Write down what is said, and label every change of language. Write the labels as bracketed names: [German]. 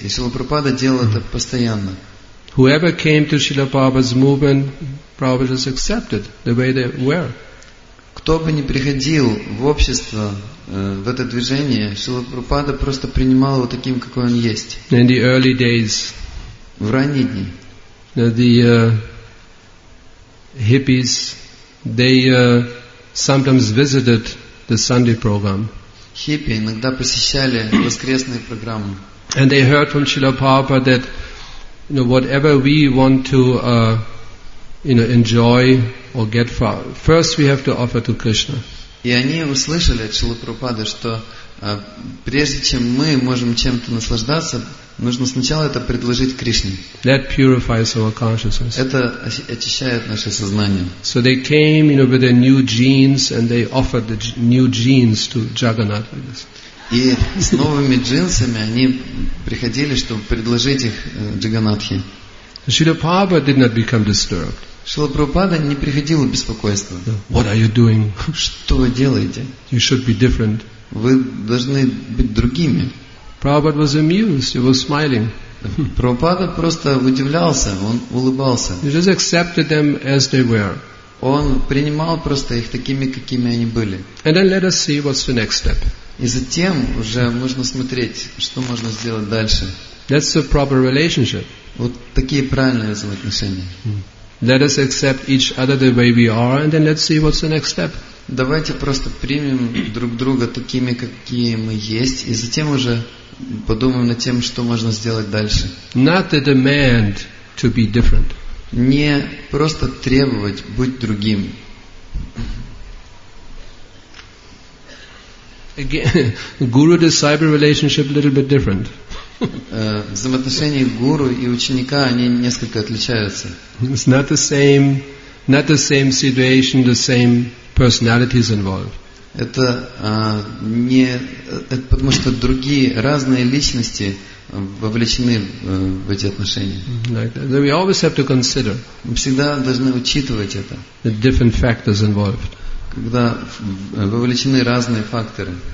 [Russian] И Шрила Прабхупада делал это постоянно. [English] Whoever came to Шрила Прабхупада's movement, Prabhupada just accepted the way they were. [Russian] Кто бы ни приходил в общество, в это движение, Шрила Прабхупада просто принимал его таким, какой он есть. [English] In the early days, [Russian] в ранние дни, [English] the hippies, they sometimes visited the Sunday program. [Russian] Хиппи иногда посещали воскресные программы. [English] And they heard from Шрила Прабхупада that, you know, whatever we want to enjoy or get first we have to offer to Krishna. [Russian] И они услышали от Шрилы Прабхупады, что прежде чем мы можем чем-то наслаждаться, нужно сначала это предложить Кришне. [English] That purifies our consciousness. [Russian] Это очищает наше сознание. [English] So they came, you know, with their new jeans and they offered the new jeans to Jagannath. [Russian] И с новыми джинсами они приходили, чтобы предложить их Джаганнатхе. [English] Шрила Прабхупада did not become disturbed. [Russian] Шрила Прабхупада не приходило беспокойство. [English] What are you doing? [Russian] Что вы делаете? [English] You should be different. [Russian] Вы должны быть другими. [English] Prabhupada was amused. He was smiling. [Russian] Прабхупада просто удивлялся. Он улыбался. [English] He just accepted them as they were. [Russian] Он принимал просто их такими, какими они были. [English] And then let us see what's the next step. [Russian] И затем уже можно смотреть, что можно сделать дальше. [English] That's the proper relationship. [Russian] Вот такие правильные взаимоотношения. [English] Let us accept each other the way we are, and then let's see what's the next step. [Russian] Давайте просто примем друг друга такими, какие мы есть, и затем уже подумаем над тем, что можно сделать дальше. [English] Not the demand to be different. [Russian] Не просто требовать быть другим. [English] Again, guru-disciple relationship a little bit different. [Russian] Взаимоотношения гуру и ученика они несколько отличаются. [English] It's not the same, not the same situation, the same personalities involved. [Russian] Это не, это потому что другие разные личности вовлечены в эти отношения. [English] Like that. We always have to consider. [Russian] Мы всегда должны учитывать это. [English] The different factors involved. [Russian] Когда вовлечены разные факторы.